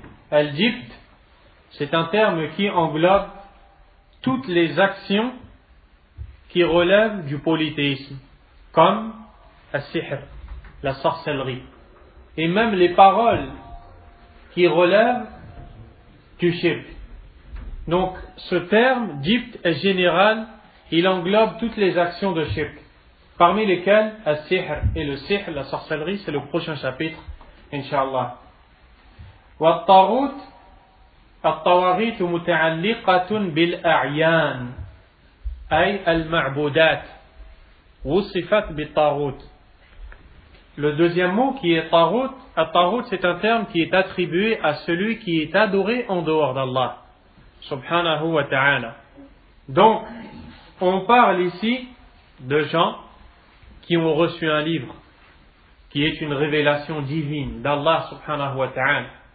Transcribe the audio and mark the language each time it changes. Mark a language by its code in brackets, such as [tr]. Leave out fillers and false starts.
[fr] Al-djibt, c'est un terme qui englobe toutes les actions qui relèvent du polythéisme, comme al-sihr, la sorcellerie, et même les paroles qui relèvent du shirk. Donc ce terme, djibt, est général, il englobe toutes les actions de shirk, parmi lesquelles al-sihr et le sihr, la sorcellerie, c'est le prochain chapitre. Inch'Allah. [ar] والطاغوت الطواغيت متعلقة بالأعيان أي المعبودات وصفت بالطاغوت. [fr] Le deuxième mot qui est طاغوت, الطاغوت c'est un terme qui est attribué à celui qui est adoré en dehors d'Allah سبحانه وتعالى. Donc on parle ici de gens qui ont reçu un livre qui est une révélation divine d'Allah subhanahu wa ta'ala.